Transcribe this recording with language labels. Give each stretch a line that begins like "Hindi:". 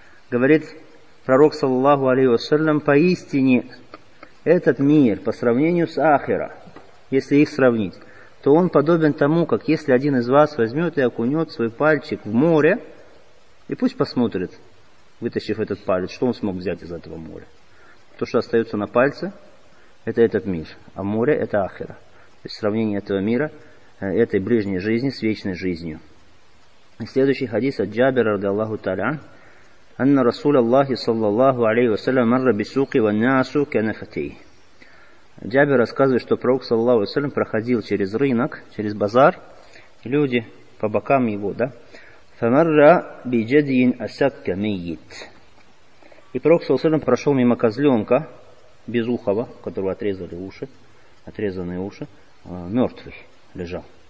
Russian: Говорит пророк, саллаллаху алейхи ва саллям: поистине, этот мир, по сравнению с ахира, если их сравнить, то он подобен тому, как если один из вас возьмет и окунет свой пальчик в море, и пусть посмотрит, вытащив этот палец, что он смог взять из этого моря. То, что остается на пальце, это этот мир, а море – это ахира. То есть сравнение этого мира, этой ближней жизни с вечной жизнью. И следующий хадис от Джабира, ради Аллаху Таля,
Arabic: أن رسول الله صلى الله عليه وسلم مر بالسوق والناس كنفتي.
Russian: Джабир рассказывает, что пророк саллаллаху алейхи ва саллям проходил через рынок, через базар, люди по бокам его, да.
Arabic: فمر بجدي أسك ميت.
Russian: И пророк саллаллаху алейхи ва саллям прошел мимо козленка безухого, которого отрезали уши, отрезанные уши, мертвый лежал.